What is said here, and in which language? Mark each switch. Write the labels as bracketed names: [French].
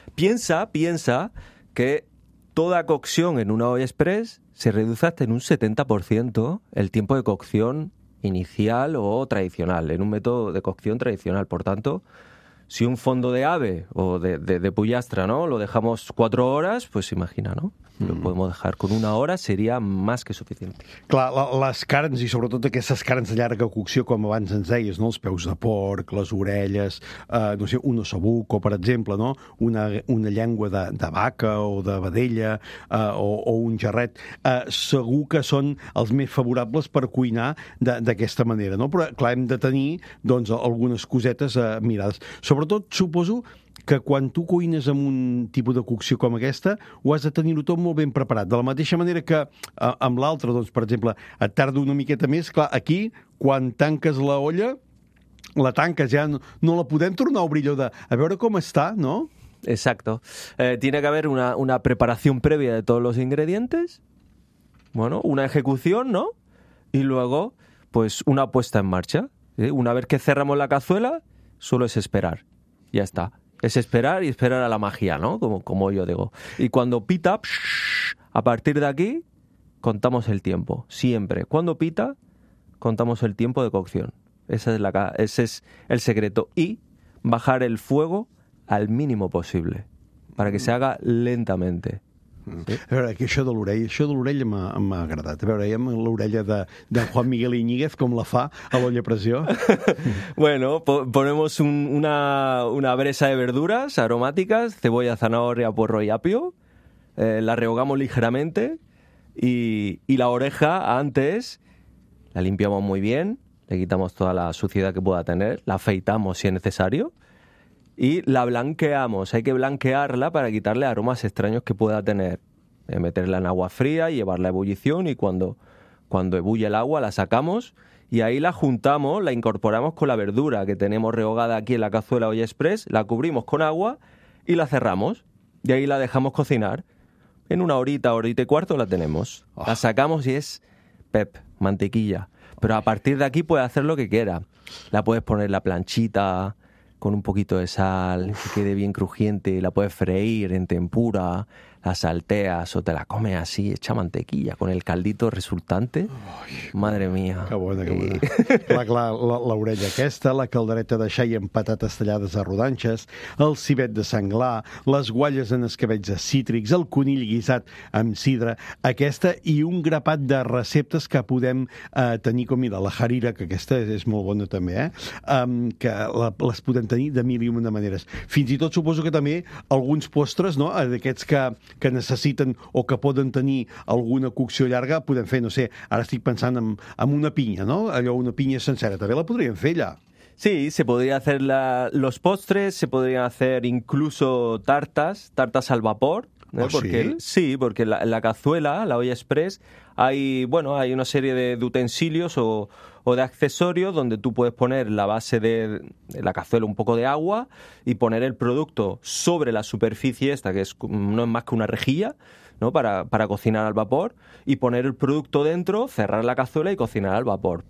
[Spanish] Piensa que toda cocción en una olla express se reduce hasta en un 70% el tiempo de cocción inicial o tradicional, en un método de cocción tradicional. Por tanto, si un fondo de ave o de pollastre, ¿no?, lo dejamos 4 [Catalan] hores, [Spanish] pues imagina, ¿no? Lo podemos dejar con una hora, seria más que [Catalan] suficient. Clar, les carns, i sobretot aquestes carns de llarga cocció, com abans ens deies, no?, els peus de porc, les orelles, no sé, un ossobuc, o per exemple, no?, una llengua de vaca o de vedella, o un jarret, segur que són els més favorables per cuinar d'aquesta manera, no? Però clar, hem de tenir, doncs, algunes cosetes mirades. Sobretot, suposo que quan tu cuines amb un tipus de cocció com aquesta, ho has de tenir tot molt ben preparat. De la mateixa manera que amb l'altre, doncs, per exemple, et tarda una miqueta més, clar, aquí, quan tanques la olla, la tanques, ja no la podem tornar a obrir, a veure com està, no? [Spanish] Exacto. Tiene que haber una preparación previa de todos los ingredientes, bueno, una ejecución, ¿no? Y luego, pues, una puesta en marcha. Una vez que cerramos la cazuela, solo es esperar. Ya está. Es esperar y esperar a la magia, ¿no? Como yo digo. Y cuando pita, a partir de aquí, contamos el tiempo. Siempre. Cuando pita, contamos el tiempo de cocción. Ese es el secreto. Y bajar el fuego al mínimo posible, para que se haga lentamente. Sí. [Catalan] A veure, que això de l'orella m'ha agradat. A veure, amb l'orella de Juan Miguel Iñiguez, com la fa a l'olla pressió? [Spanish] Bueno, ponemos una bresa de verduras aromáticas, cebolla, zanahoria, puerro y apio. La rehogamos ligeramente y la oreja antes la limpiamos muy bien, le quitamos toda la suciedad que pueda tener, la afeitamos si es necesario. Y la blanqueamos, hay que blanquearla para quitarle aromas extraños que pueda tener. Meterla en agua fría y llevarla a ebullición, y cuando ebulle el agua la sacamos y ahí la juntamos, la incorporamos con la verdura que tenemos rehogada aquí en la cazuela olla express, la cubrimos con agua y la cerramos. Y ahí la dejamos cocinar. En una horita, horita y cuarto la tenemos. La sacamos y es pep, mantequilla. Pero a partir de aquí puedes hacer lo que quieras. La puedes poner en la planchita, con un poquito de sal, que quede bien crujiente, la puedes freír en tempura, la salteas o te la comes así, hecha mantequilla, con el caldito resultante. Ay, madre mía. [Catalan] Que bona, que bona. Clar, l'orella aquesta, la caldereta de xai amb patates tallades a rodanxes, el civet de senglar, les gualles en escabets de cítrics, el conill guisat amb sidra, aquesta i un grapat de receptes que podem tenir com, mira, la harira, que aquesta és molt bona també, que les podem tenir de mil i una maneres. Fins i tot suposo que també alguns postres, no?, d'aquests que necessiten o que poden tenir alguna cocció llarga, podem fer, no sé, ara estic pensant en una pinya, no? Allò, una pinya sencera, també la podríem fer allà. [Spanish] Sí, se podrían hacer los postres, se podrían hacer incluso tartas al vapor. Porque la cazuela, la olla express, hay una serie de utensilios o de accesorios donde tú puedes poner la base de la cazuela, un poco de agua, y poner el producto sobre la superficie esta, que no es más que una rejilla, ¿no?, para cocinar al vapor, y poner el producto dentro, cerrar la cazuela y cocinar al vapor.